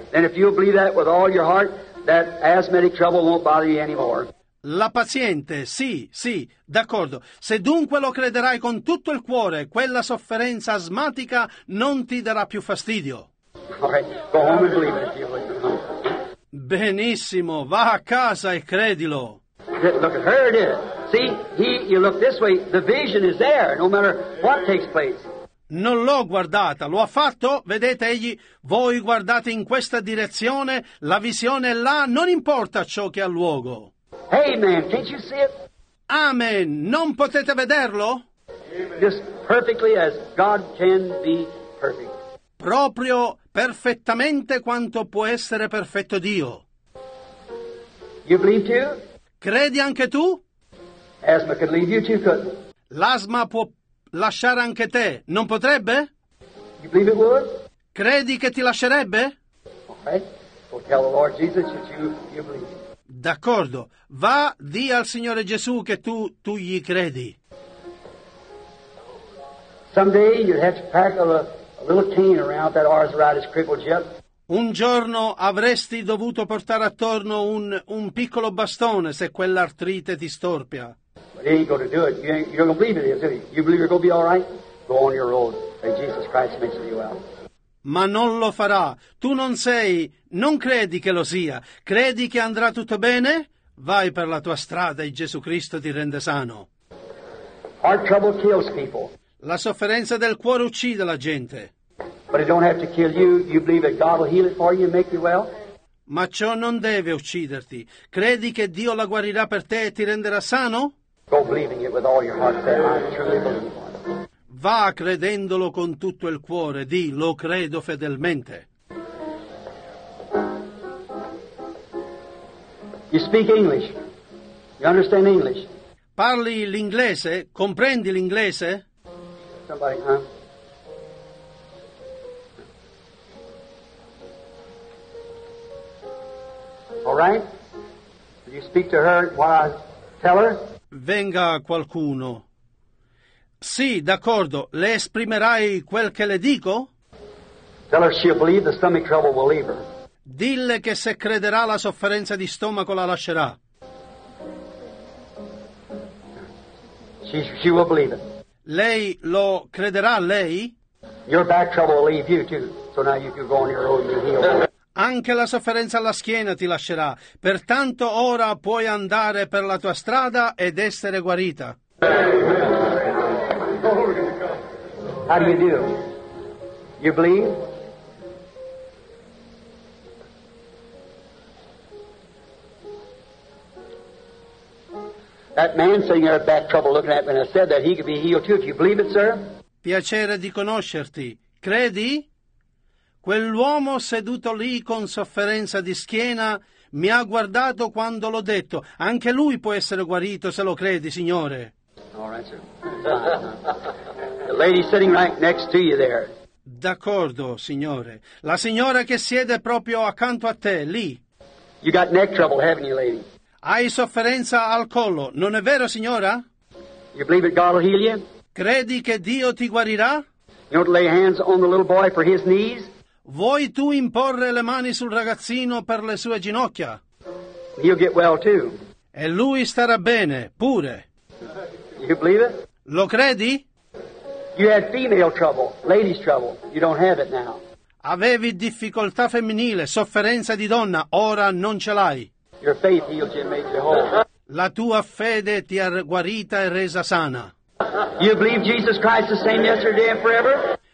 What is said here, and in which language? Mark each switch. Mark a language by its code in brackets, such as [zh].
[en] Then if you believe that with all your heart, that asthmatic trouble won't bother you anymore. [it] La paziente, sì, d'accordo. Se dunque lo crederai con tutto il cuore, quella sofferenza asmatica non ti darà più fastidio. [en] Okay, go home and believe it. [it] Benissimo, va a casa e credilo. [en] Look, here it is. See, you look this way, the vision is there, no matter what takes place. [it] Non l'ho guardata, lo ha fatto, vedete egli, voi guardate in questa direzione, la visione è là, non importa ciò che ha luogo. [en] Amen, can't you see it? [it] Amen, non potete vederlo? [en] Amen. Just perfectly as God can be perfect. [it] Proprio perfettamente quanto può essere perfetto Dio. [en] You believe too? [it] Credi anche tu? [en] Asthma could leave you too, couldn't? [it] L'asma può lasciare anche te, non potrebbe? [en] You believe it would? [it] Credi che ti lascerebbe? [en] Okay. Well, tell the Lord Jesus that you believe. [it] D'accordo. Va, di al Signore Gesù che tu gli credi. [en] Someday you'd have to pack a little cane around that arthritis crippled jet. [it] Un giorno avresti dovuto portare attorno un piccolo bastone se quell'artrite ti storpia. [en] But he ain't gonna do it. You don't believe it, is he? You believe you're gonna be all right? Go on your road. And Jesus Christ makes you well. [it] Ma non lo farà. Tu non sei, non credi che lo sia. Credi che andrà tutto bene? Vai per la tua strada e Gesù Cristo ti rende sano. [en] Heart trouble kills people. [it] La sofferenza del cuore uccide la gente. [en] But it don't have to kill you. You believe that God will heal it for you and make you well? [it] Ma ciò non deve ucciderti. Credi che Dio la guarirà per te e ti renderà sano? [en] Go believing it with all your heart. That I truly believe. [it] Va credendolo con tutto il cuore, di lo credo fedelmente. [en] You speak English. You understand English? [it] Parli l'inglese? Comprendi l'inglese? [en] Somebody, huh? All right? Will you speak to her while I tell her? [it] Venga qualcuno. Sì, d'accordo. Le esprimerai quel che le dico? [en] Tell her she'll believe the stomach trouble will leave her. [it] Dille che se crederà la sofferenza di stomaco la lascerà. [en] She will believe it. [it] Lei lo crederà, lei? [en] Your back trouble will leave you too. So now you can go on your own and heal. [it] Anche la sofferenza alla schiena ti lascerà. Pertanto ora puoi andare per la tua strada ed essere guarita. [en] How do you do? You believe? That man sitting there had back trouble looking at me and said that he could be healed too. If you believe it, sir? [it] Piacere di conoscerti. Credi? Quell'uomo seduto lì con sofferenza di schiena mi ha guardato quando l'ho detto. Anche lui può essere guarito se lo credi, signore. [en] All right, sir. The lady sitting right next to you there. [it] D'accordo, signore. La signora che siede proprio accanto a te, lì. [en] You got neck trouble, haven't you, lady? [it] Hai sofferenza al collo, non è vero, signora? [en] You believe that God will heal you? [it] Credi che Dio ti guarirà? [en] You don't lay hands on the little boy for his knees? [it] Vuoi tu imporre le mani sul ragazzino per le sue ginocchia? [en] He'll get well too. [it] E lui starà bene, pure. [en] You believe it? [it] Lo credi? [en] You had female trouble, ladies' trouble. You don't have it now. [it] Avevi difficoltà femminile, sofferenza di donna. Ora non ce l'hai. [en] Your faith healed you and made you whole. [it] La tua fede ti ha guarita e resa sana. [en] You believe Jesus Christ the same yesterday and forever?